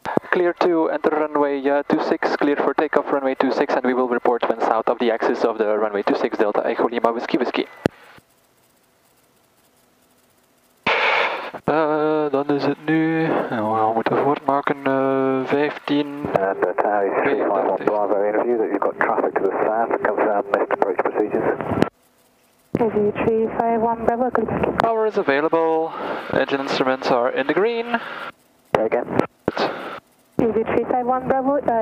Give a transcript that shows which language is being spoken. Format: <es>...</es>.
<en>Clear to enter runway 26, clear for takeoff runway 26, and we will report when south of the axis of the runway 26, Delta Echo Lima, Whiskey Whiskey.</en> <nl>Dan is het nu, we moeten voortmaken, 15.</nl> <en>And Tower is 351 Bravo interview that you've got traffic to the south, confirm missed approach procedures. AV 351 Bravo, good luck. Power is available, engine instruments are in the green. Say again. AV 351 Bravo,</en>